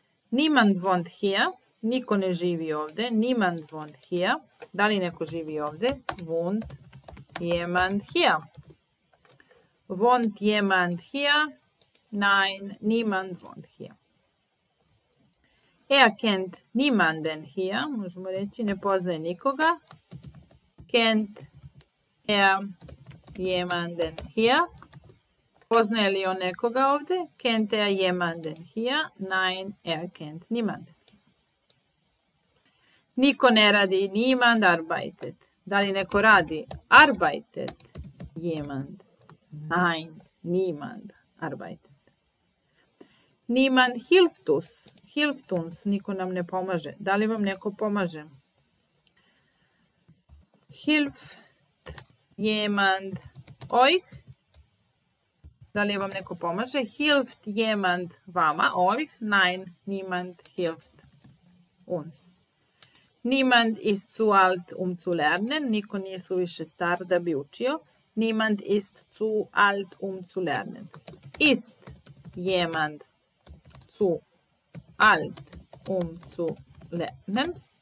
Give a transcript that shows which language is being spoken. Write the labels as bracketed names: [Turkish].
[German] Niemand wohnt hier. [Serbian] Niko ne živi ovde. [German] Niemand wohnt hier. [Serbian] Da li neko živi ovde? [German] Wohnt jemand hier? Wohnt jemand hier? Nein, niemand wohnt hier. Er kennt niemanden hier, [Serbian] možemo reći, ne poznaje nikoga. [German] Kennt er jemanden hier? [Serbian] Poznaje li on nekoga ovde? [German] Kennt er jemanden hier? Nein, er kennt niemanden. [Serbian] Niko ne radi, [German] niemand arbeitet. [Serbian] Da li neko radi? [German] Arbeitet jemand. Nein, niemand arbeitet. Niemand hilft uns. Hilft uns. [Serbian] Niko nam ne pomaže. Da li vam neko pomaže? [German] Hilft jemand euch? [Serbian] Da li vam neko pomaže? [German] Hilft jemand [Serbian] vama euch? [German] Nein, niemand hilft uns. Niemand ist zu alt zu lernen. [Serbian] Niko nije suviše star da bi učio. [German] Niemand ist zu alt zu lernen. Ist jemand zu alt zu lernen.